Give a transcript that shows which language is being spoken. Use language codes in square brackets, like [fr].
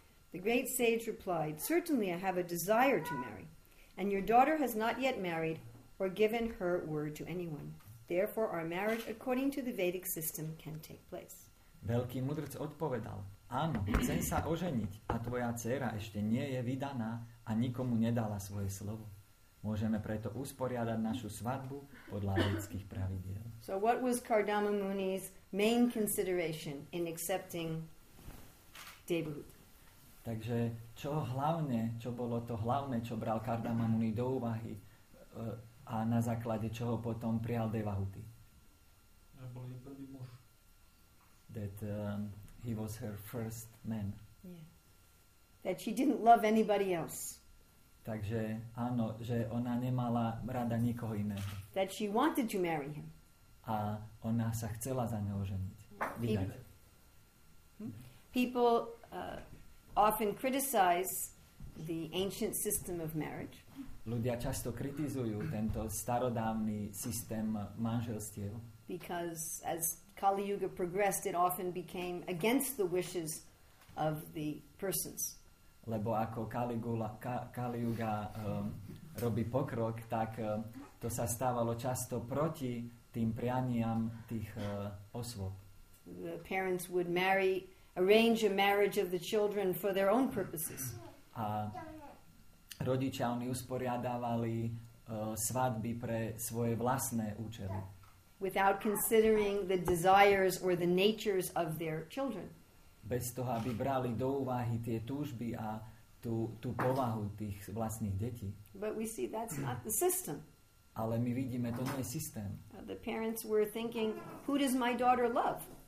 [en] The great sage replied, "Certainly I have a desire to marry, and your daughter has not yet married or given her word to anyone. Therefore our marriage according to the Vedic system can take place." [sk] Veľký mudrc odpovedal, "Áno, chcem sa oženiť a tvoja dcera ešte nie je vydaná a nikomu nedala svoje slovo. Môžeme preto usporiadať našu svadbu podľa ľudských pravidiel. [en] So what was Kardama Muni's main consideration in accepting Devahut? [sk] Takže čo hlavne, čo bolo to hlavné, čo bral Kardama Muni do úvahy a na základe čoho potom prijal Devahuti? Bol jej prvý muž. [en] That he was her first man. Yeah. That she didn't love anybody else. [sk] Takže áno, že ona nemala rada nikoho iného. [en] That she wanted to marry him. [sk] A ona sa chcela za neho ženiť. Vydať. [en] People often criticize the ancient system of marriage. [sk] Ľudia často kritizujú tento starodávny systém manželstiev. [en] Because as Kali Yuga progressed, it often became against the wishes of the persons. [sk] Lebo ako Kali Yuga robí pokrok, tak to sa stávalo často proti tým prianiam tých osôb. [en] The parents would marry, arrange a marriage of the children for their own purposes. [sk] A rodičia, oni usporiadávali svadby pre svoje vlastné účely. [en] Without considering the desires or the natures of their children. [sk] Bez toho, aby brali do úvahy tie túžby a tú povahu tých vlastných detí. [en] But we see that's not the system. [sk] Ale my vidíme, to nie je systém. [en] The parents were thinking, who does my daughter love?